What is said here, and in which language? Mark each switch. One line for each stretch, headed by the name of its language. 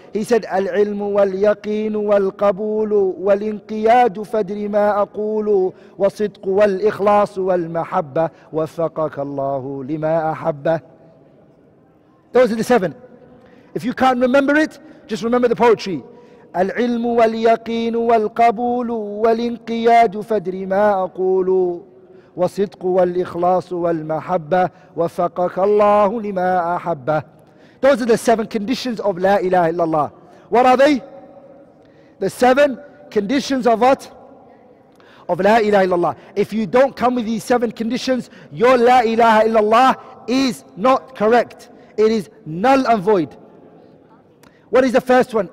Arabic: He said, العلم واليقين والقبول والانقياد فادري ما أقول وصدق والإخلاص والمحبة وفقك الله لما أحب.
English: Those are the 7. If you can't remember it, just remember the poetry.
Arabic: العلم واليقين والقبول والانقياد فادري ما أقول وصدق والإخلاص والمحبة وفقك الله لما أحب.
English: Those are the 7 conditions of La ilaha illallah. What are they? The 7 conditions of what? Of La ilaha illallah. If you don't come with these 7 conditions, your La ilaha illallah is not correct. It is null and void. What is the first one?